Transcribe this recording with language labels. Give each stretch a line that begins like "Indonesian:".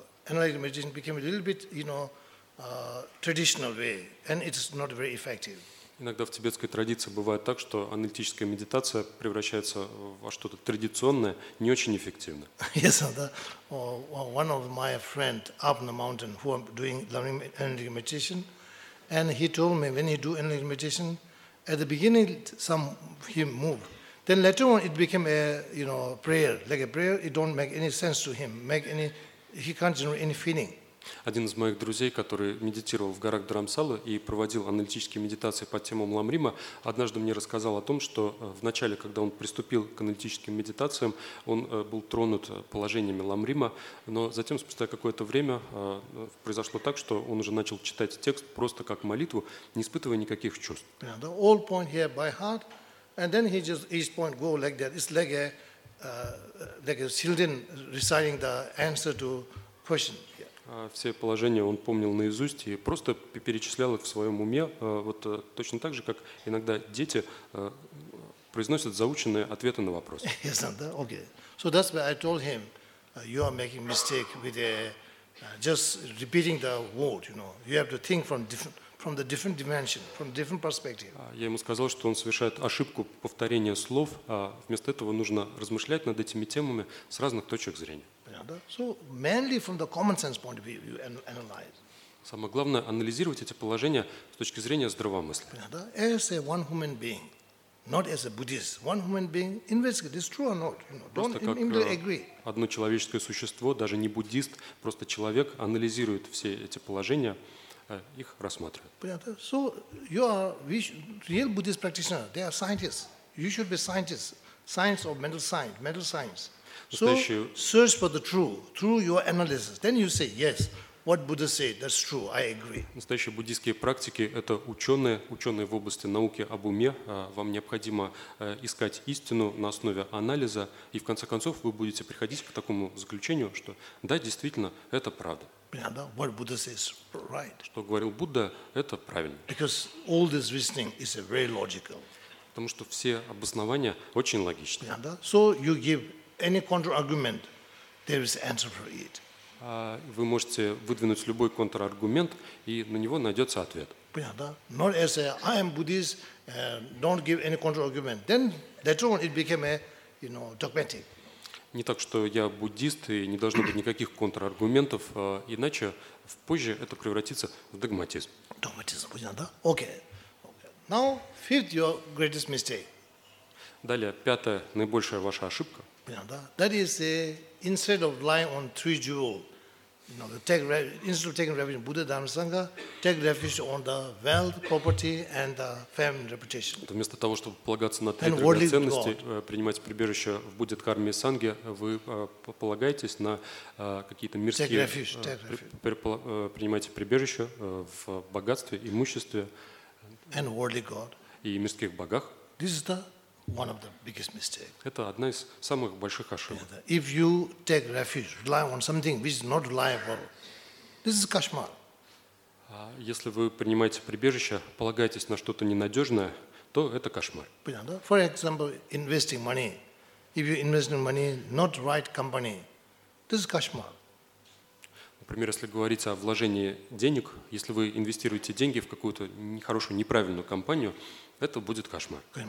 English: Analytic meditation became a little bit, you know, traditional way, and it's not very effective.
Russian: Иногда в тибетской традиции бывает так, что аналитическая медитация превращается во что-то традиционное, не очень эффективно.
English: Yes,
Russian: да.
English: One of my friend up in the mountain who are doing learning analytic meditation, and he told me when he do analytic meditation, at the beginning some he moved. Then later on it became a, you know, prayer, like a prayer. It don't make any sense to him, make any. He can't generate any feeling.
Russian: Один из моих друзей, который медитировал в горах Дарамсала и проводил аналитические медитации по темам Ламрима, однажды мне рассказал о том, что в начале, когда он приступил к аналитическим медитациям, он был тронут положениями Ламрима, но затем, спустя какое-то время, произошло так, что он уже начал читать текст просто как молитву, не испытывая никаких чувств.
English: The old point here by heart, and then he just each point go like that. It's like a like a children reciting the answer to question.
Russian: Все положения он помнил наизусть и просто перечислял их в своем уме, вот точно так же, как иногда дети произносят заученные ответы на вопросы.
English: Yes, okay. So that's why I told him, you are making mistake with a just repeating the word. You know, you have to think from the different dimension, from different perspective.
Russian: Я ему сказал, что он совершает ошибку повторения слов, а вместо этого нужно размышлять над этими темами с разных точек зрения.
English: So mainly from the common sense point of view, you analyze.
Russian: Самое главное анализировать эти положения с точки зрения здравомыслия.
English: As a one human being, not as a Buddhist, one human being, investigate this true or not. You know, don't immediately agree.
Russian: Одно человеческое существо, даже не буддист, просто человек анализирует все эти положения, их рассматривает. Понятно.
English: So you are real Buddhist practitioner. They are scientists. You should be scientists. Science or mental science. Mental science. So search for the true through your analysis. Then you say yes. What Buddha said, that's true, I agree.
Russian: Настоящие буддийские практики – это ученые, ученые в области науки об уме. Вам необходимо искать истину на основе анализа, и в конце концов вы будете приходить к такому заключению, что да, действительно, это правда.
English: What Buddha says, right.
Russian: Что говорил Будда, это правильно.
English: Because all this reasoning is very logical.
Russian: Потому что все обоснования очень логичны.
English: So you give any counter-argument, there is answer for it.
Russian: Вы можете выдвинуть любой контраргумент, и на него найдется ответ. Понятно?
English: Not as a, I am Buddhist, don't give any counter-argument. Then later on it became a, you know, dogmatic.
Russian: Не так, что я буддист, и не должно быть никаких контраргументов, иначе позже это превратится в догматизм. Догматизм, понятно?
English: Okay.
Russian: Now, fifth your greatest mistake. Далее, пятая, наибольшая ваша ошибка.
English: That is, instead of relying on three jewels, you know, instead of taking refuge in Buddha, Dharma, Sangha, take refuge on the wealth, property, and the fame and reputation.
Russian: Вместо того, чтобы полагаться на три древние ценности, принимать прибежище в Будде, Дхарме и Санге, вы полагаетесь на какие-то мирские...
English: Take refuge.
Russian: Принимайте прибежище в богатстве, имуществе
English: and worldly God.
Russian: И мирских богах.
English: This is the one of the biggest mistakes.
Russian: Это одна из самых больших ошибок.
English: If you take refuge, rely on something which is not reliable, this is кошмар.
Russian: Если вы принимаете прибежище, полагаетесь на что-то ненадежное, то это кошмар.
English: For example, investing money. If you invest in money, not right company, this is кошмар.
Russian: Например, если говорить о вложении денег, если вы инвестируете деньги в какую-то нехорошую, неправильную компанию, это будет кошмар.